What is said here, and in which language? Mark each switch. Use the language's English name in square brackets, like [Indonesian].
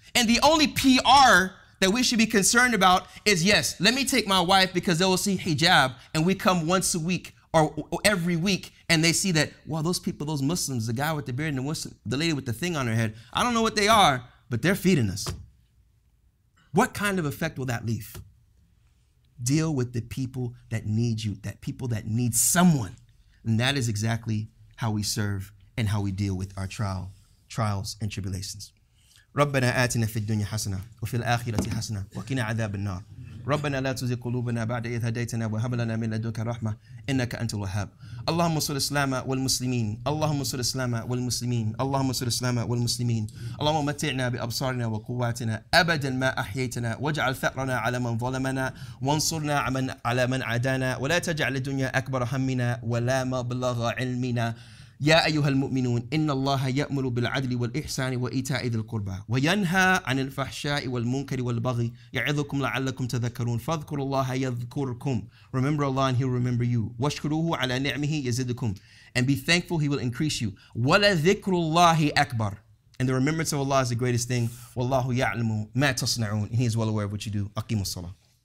[English] And the only PR that we should be concerned about is, yes, let me take my wife because they will see hijab and we come once a week or every week and they see that, well, those people, those Muslims, the guy with the beard and the lady with the thing on her head, I don't know what they are, but they're feeding us. What kind of effect will that leave? Deal with the people that need you, that people that need someone. And that is exactly how we serve and how we deal with our trials and tribulations. [Arabic] ربنا آتنا في الدنيا حسنة وفي الآخرة حسنة وقنا عذاب النار. ربنا لا تزغ قلوبنا بعد إذ هديتنا وهب لنا من لدنك رحمة إنك أنت الوهاب. اللهم صل وسلم والمسلمين. اللهم صل وسلم والمسلمين. اللهم صل وسلم والمسلمين. اللهم متعنا بأبصارنا وقواتنا أبدا ما أحييتنا واجعل ثأرنا على من ظلمنا وانصرنا على من عادانا ولا تجعل الدنيا أكبر همنا ولا مبلغ علمنا. يا أيها المؤمنون إن الله يأمر بالعدل والإحسان وإيتاء ذي القربى وينهى عن الفحشاء والمنكر والبغي يعظكم لعلكم تذكرون فاذكروا الله يذكركم. [English] Remember Allah and He'll remember you. [Arabic] واشكروه على نعمه يزدكم. [English] And be thankful, He will increase you. [Arabic] ولذكر الله أكبر. [English] And the remembrance of Allah is the greatest thing. [Arabic] والله يعلم ما تصنعون. [English] And He is well aware of what you do. [Arabic] أقيموا الصلاة.